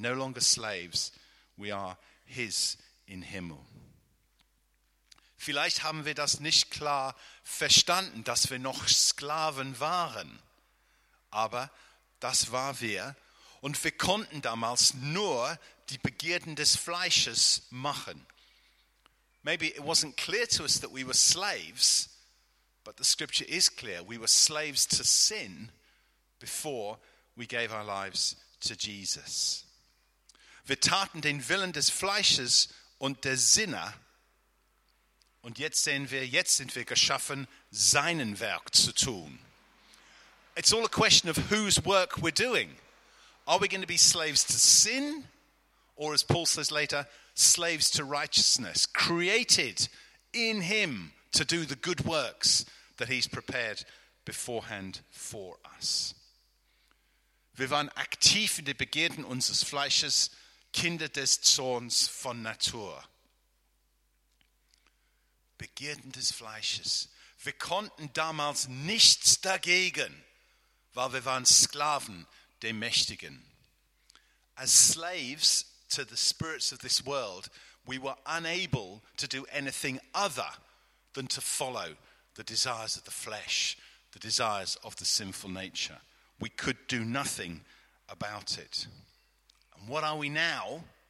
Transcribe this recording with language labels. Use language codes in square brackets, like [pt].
[en] No longer slaves, we are his in Himmel. [de] Vielleicht haben wir das nicht klar verstanden, dass wir noch Sklaven waren, aber das waren wir und wir konnten damals nur die Begierden des Fleisches machen. [en] Maybe it wasn't clear to us that we were slaves, but the scripture is clear. We were slaves to sin before we gave our lives to Jesus. [de] Wir taten den Willen des Fleisches und der Sinne. Und jetzt sind wir geschaffen, seinen Werk zu tun. [en] It's all a question of whose work we're doing. Are we going to be slaves to sin? Or as Paul says later, slaves to righteousness, created in him to do the good works that he's prepared beforehand for us. [de] Wir waren aktiv in den Begierden unseres Fleisches, Kinder des Zorns von Natur. Begierden des Fleisches. Wir konnten damals nichts dagegen, weil wir waren Sklaven der Mächtigen. [en] As slaves to the spirits of this world, we were unable to do anything other than to follow the desires of the flesh, the desires of the sinful nature. We could do nothing about it. And what are we now?